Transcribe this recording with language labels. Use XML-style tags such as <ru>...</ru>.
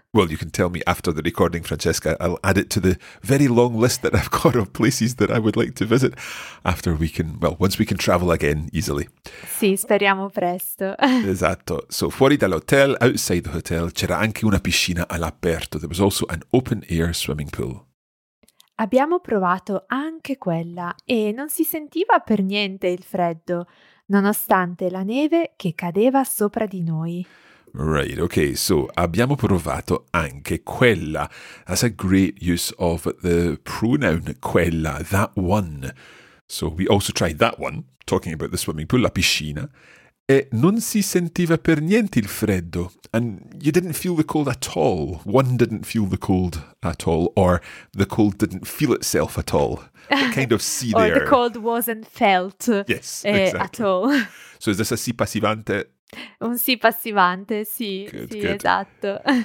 <en>Well, you can tell me after the recording, Francesca. I'll add it to the very long list that I've got of places that I would like to visit after we can, well, once we can travel again easily.</en> <it>Sì, speriamo presto. Esatto. So fuori dall'hotel, outside the hotel, c'era anche una piscina all'aperto.</it> <en>There was also an open-air swimming pool.</en> <it>Abbiamo provato anche quella e non si sentiva per niente il freddo, nonostante la neve che cadeva sopra di noi. Right, okay, so abbiamo provato anche quella.</it> <en>That's a great use of the pronoun quella, that one. So we also tried that one, talking about the swimming pool, la piscina.</en> <it>E non si sentiva per niente il freddo.</it> <en>And you didn't feel the cold at all. One didn't feel the cold at all, or the cold didn't feel itself at all. What kind of C there? Or the cold wasn't felt. Yes, exactly. At all. So is this a si passivante?</en> <it>Un sì passivante, sì, good, sì, good. Esatto.</it>